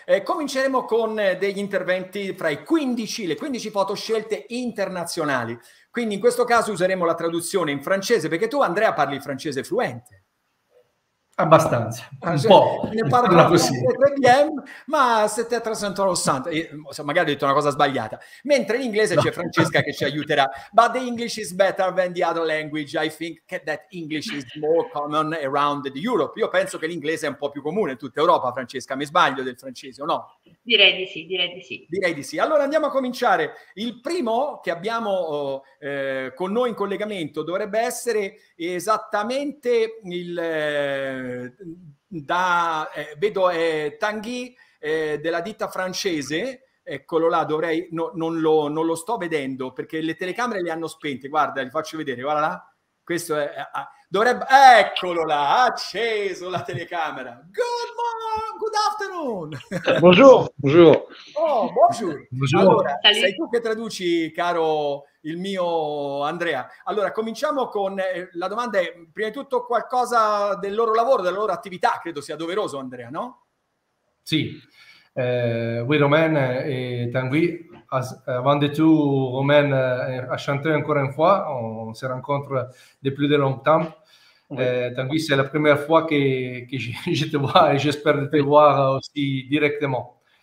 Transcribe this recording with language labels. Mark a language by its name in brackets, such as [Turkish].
[Italian] Cominceremo con degli interventi fra le 15 foto scelte internazionali. Quindi in questo caso useremo la traduzione in francese, perché tu, Andrea, parli francese fluente. Abbastanza, un Cioè, po', ne parlo parla così. francese, ma se te trasento magari ho detto una cosa sbagliata. Mentre in inglese c'è Francesca che ci aiuterà. [English] But the English is better than the other language. I think that English is more common around the Europe. [Italian] Io penso che l'inglese è un po' più comune in tutta Europa, Francesca. Mi sbaglio del francese o no? Direi di sì, direi di sì. Direi di sì. Allora andiamo a cominciare. Il primo che abbiamo con noi in collegamento dovrebbe essere esattamente vedo è Tanguy della ditta francese. Eccolo là, dovrei no, non lo sto vedendo perché le telecamere le hanno spente. Guarda, vi faccio vedere. Guarda là. Questo è dovrebbe, eccolo là, acceso la telecamera. [English] Good morning. good afternoon. [French] Bonjour. Bonjour. Oh, bonjour. Bonjour. Allora, salut. [Italian] Sei tu che traduci, caro il mio Andrea. Allora, cominciamo con la domanda. È, prima di tutto, qualcosa del loro lavoro, della loro attività, credo sia doveroso, Andrea, no? Sì. [French] Oui, Romain et Tanguy, avant de tout, Romain a chanté encore une fois, on se rencontre depuis de longtemps. Tanguy, c'est la première fois que je te vois et j'espère te voir aussi directement.